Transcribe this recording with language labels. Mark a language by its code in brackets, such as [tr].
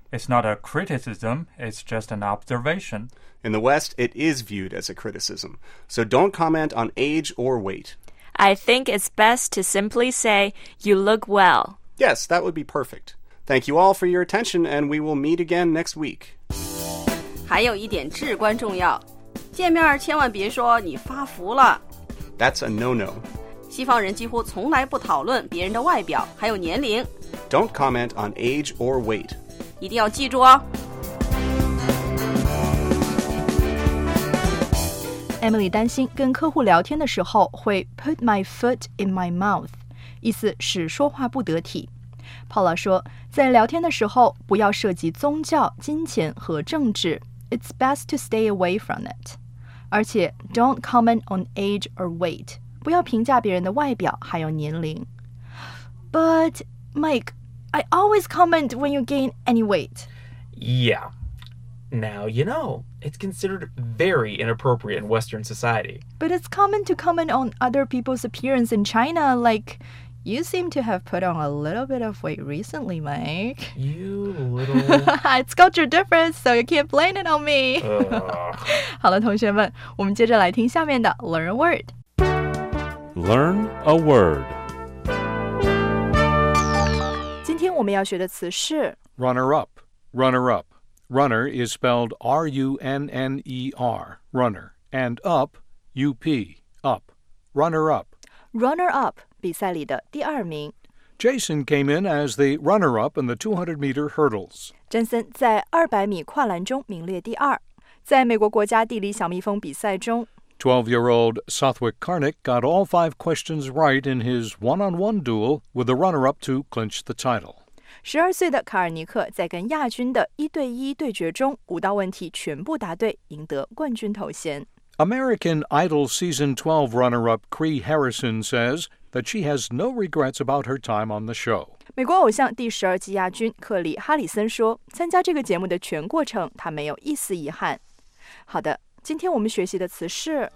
[en] It's not a criticism, it's just an observation. In the West, it is viewed as a criticism. So don't comment on age or weight. I think it's best to simply say, you look well. Yes, that would be perfect. Thank you all for your attention, and we will meet again next week. [zh] 还有一点至关重要，见面千万别说你发福了。 [en] That's a no-no. [zh] 西方人几乎从来不讨论别人的外表，还有年龄。 [en] Don't comment on age or weight. [zh] 一定要记住哦。 Emily 担心跟客户聊天的时候会 [en] put my foot in my mouth， [zh] 意思是说话不得体。 Paula 说，在聊天的时候不要涉及宗教、金钱和政治。 [en] It's best to stay away from it. [zh] 而且 [en] don't comment on age or weight. [zh] 不要评价别人的外表还有年龄。 [en] But Mike, I always comment when you gain any weight. Yeah. Now you know, it's considered very inappropriate in Western society. But it's common to comment on other people's appearance in China, like... You seem to have put on a little bit of weight recently, Mike. You little... It's culture difference, so you can't blame it on me. [zh] 好了，同学们，我们接着来听下面的 Learn a Word. [en] Learn a Word. [zh] 今天我们要学的词是 [en] Runner-up. Runner-up. Runner is spelled R-U-N-N-E-R. Runner. And up, U-P. Up. Runner-up. [zh] Runner-up. 比赛里的第二名 [en] Jason came in as the runner-up in the 200 meter hurdles. [zh] 詹森在200米跨栏中名列第二。在美国国家地理小蜜蜂比赛中 [en] 12-year-old Southwick Karnick got all five questions right in his one-on-one duel with the runner-up to clinch the title. [zh] 12岁的卡尔尼克在跟亚军的一对一对决中五道问题全部答对，赢得冠军头衔。 [en] American Idol Season 12 runner-up Cree Harrison says... that she has no regrets about her time on the show. [zh] 美国偶像第十二季亚军克里·哈里森说，参加这个节目的全过程，他没有一丝遗憾。好的，今天我们学习的词是